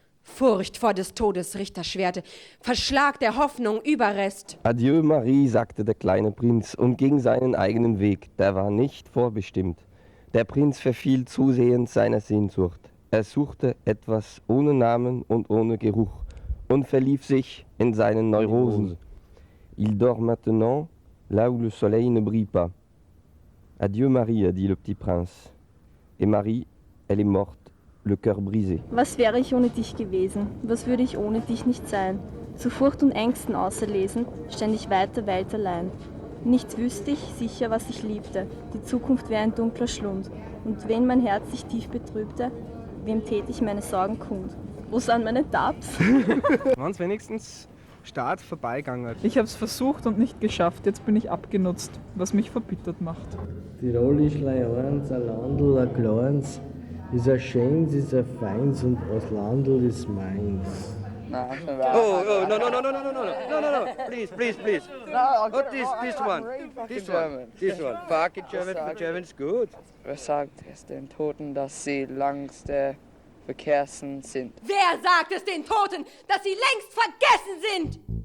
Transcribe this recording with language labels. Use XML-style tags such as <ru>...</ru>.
<de>Furcht vor des Todes Richterschwerte, Verschlag der Hoffnung Überrest. Adieu Marie, sagte der kleine Prinz und ging seinen eigenen Weg, der war nicht vorbestimmt. Der Prinz verfiel zusehends seiner Sehnsucht. Er suchte etwas ohne Namen und ohne Geruch und verlief sich in seinen Neurosen.</de> <fr>Il dort maintenant là où le soleil ne brille pas. Adieu Marie, dit le petit prince. Et Marie, elle est morte, le cœur brisé.</fr> <de>Was wäre ich ohne dich gewesen? Was würde ich ohne dich nicht sein? Zu Furcht und Ängsten auserlesen, ständig weiter, weit allein. Nichts wüsste ich sicher, was ich liebte. Die Zukunft wäre ein dunkler Schlund. Und wenn mein Herz sich tief betrübte, wem täte ich meine Sorgen kund? Wo sind meine Tabs? Waren es wenigstens Start vorbeigegangen? Ich habe es versucht und nicht geschafft. Jetzt bin ich abgenutzt, was mich verbittert macht. Tirol ist Leihorns, ein Landl, ein Kleins. Ist ein Schäns, ist ein Feins und aus Landl ist meins.</de> <en>Oh, oh, no, no, no, no, no, no, no, no, no, no, please, please, please. No, not this, this one, this one, this one. Fuck it, German, but German is good.</en> <de>Wer sagt es den Toten, dass sie längst vergessen sind? Wer sagt es den Toten, dass sie längst vergessen sind?</de>